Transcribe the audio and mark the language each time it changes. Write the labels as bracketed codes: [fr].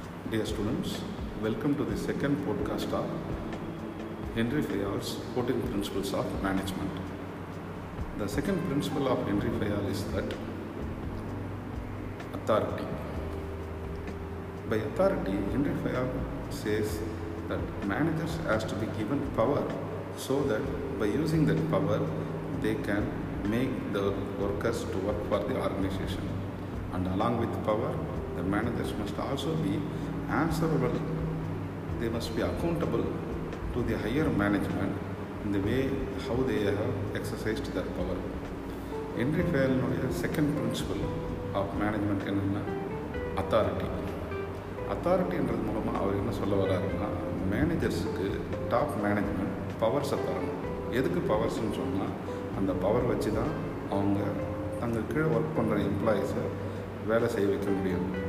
[en] Dear students, welcome to the second podcast of Henry Fayol's 14 principles of management. The second principle of Henry Fayol is that Authority. By authority, Henry Fayol says that managers has to be given power so that by using that power they can make the workers to work for the organization. And along with power, the managers must also be answerable. They must be accountable to the higher management in the way how they have exercised their power. Henry Fayol's second principle of management என்னென்னா authority. [ta] அத்தாரிட்டின்றது மூலமாக அவர் என்ன சொல்ல வர்றாருன்னா, மேனேஜர்ஸுக்கு top management பவர்ஸை தரணும். எதுக்கு பவர்ஸ்னு சொன்னால், அந்த power வச்சு தான் அவங்க தங்கள் கீழே ஒர்க் பண்ணுற எம்ப்ளாயீஸை வேலை செய்ய வைக்க முடியும்.